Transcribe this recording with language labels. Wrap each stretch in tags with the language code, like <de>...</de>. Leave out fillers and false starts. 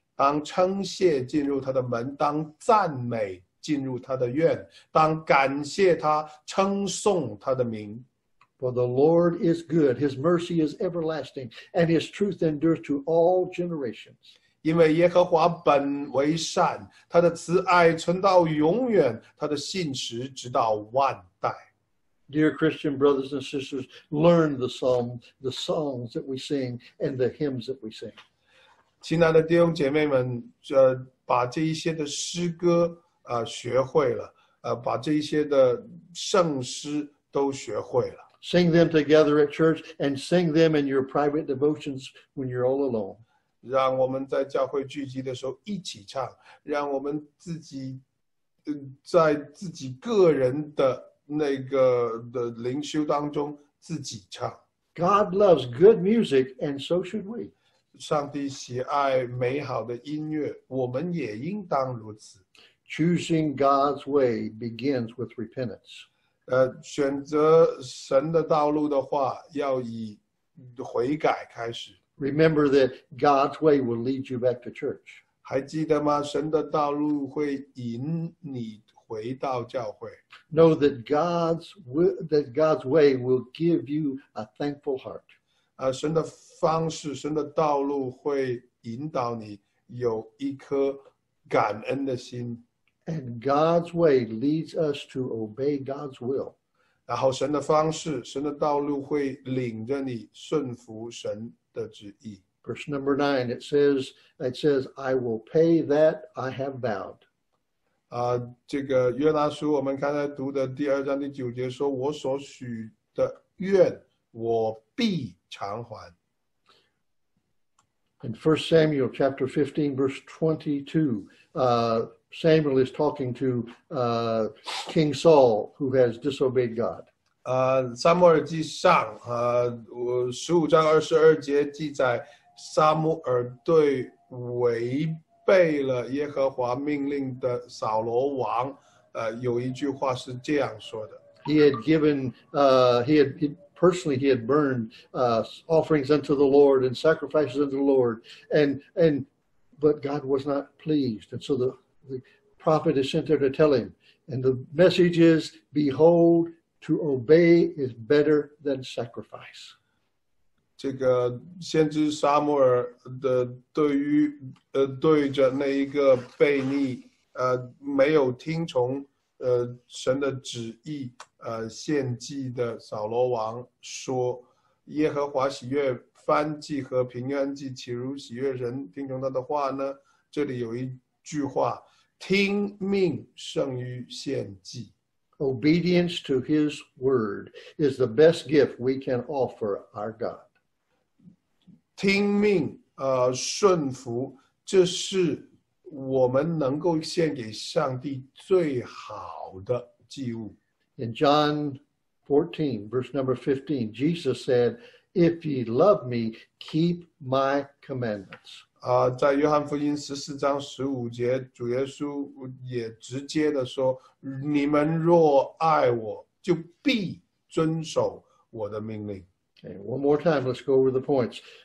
<zh>当称谢进入他的门，当赞美进入他的院，当感谢他，称颂他的名。</zh> <en>For the Lord is good, his mercy is everlasting, and his truth endures to all generations.</en> <zh>因为耶和华本为善，他的慈爱存到永远，他的信实直到万。</zh> <en>Dear Christian brothers and sisters, learn the psalm, the songs that we sing, and the hymns that we sing.</en> <zh>亲爱的弟兄姐妹们，把这一些的诗歌学会了，把这一些的圣诗都学会了。</zh> <en>Sing them together at church, and sing them in your private devotions when you're all alone.</en> <zh>让我们在教会聚集的时候一起唱，让我们自己，在自己个人的那个的灵修当中自己唱。</zh> <en>God loves good music, and so should we.</en> <zh>上帝喜爱美好的音乐，我们也应当如此。</zh> <en>Choosing God's way begins with repentance.</en> <zh>选择神的道路的话，要以悔改开始。</zh> <en>Remember that God's way will lead you back to church.</en> <zh>还记得吗？神的道路会引你回到教会。</zh> <en>Know that God's way will give you a thankful heart.</en> <zh>神的方式，神的道路会引导你有一颗感恩的心。</zh> <en>And God's way leads us to obey God's will.</en> <zh>然后神的方式，神的道路会领着你顺服神的旨意。</zh> <en>Verse number 9, it says, I will pay that I have vowed.</en> <zh>这个约拿书我们刚才读的第二章第九节说，我所许的愿我必偿还。</zh> <en>In 1 Samuel chapter 15 verse 22, Samuel is talking to King Saul who has disobeyed God.</en> <zh>撒母耳记上15章22节记载撒母耳对违背了耶和华命令的扫罗王，有一句话是这样说的。</zh> <en>He had given, he had burned, offerings unto the Lord and sacrifices unto the Lord, but God was not pleased. And so the prophet is sent there to tell him. And the message is, behold, to obey is better than sacrifice.</en> <zh>这个先知撒母耳的对着那一个悖逆没有听从神的旨意献祭的扫罗王说，耶和华喜悦燔祭和平安祭，岂如喜悦人听从他的话呢？这里有一句话，听命胜于献祭。</zh> <en>Obedience to his word is the best gift we can offer our God.</en> <zh>听命，顺服，这是我们能够献给上帝最好的祭物。</zh> <en>In John 14, verse number 15, Jesus said, "If ye love me, keep my commandments."</en> <zh>在约翰福音14章15节，主耶稣也直接的说，你们若爱我，就必遵守我的命令。</zh> <en>Okay, one more time, let's go over the points.</en>